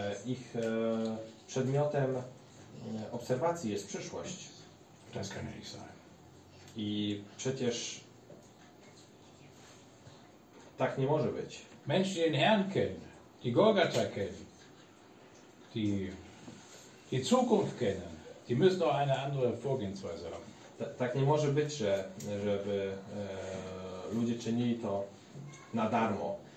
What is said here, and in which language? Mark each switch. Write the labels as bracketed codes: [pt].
[pl] Ich przedmiotem obserwacji jest przyszłość. [de] Das kann nicht sein. [pl] I przecież tak nie może być. [de] Menschen, die den Herrn kennen, die Golgatha kennen, die Zukunft kennen, die müssen auch eine andere Vorgehensweise haben. [pl] Tak nie może być, żeby ludzie czynili to na darmo.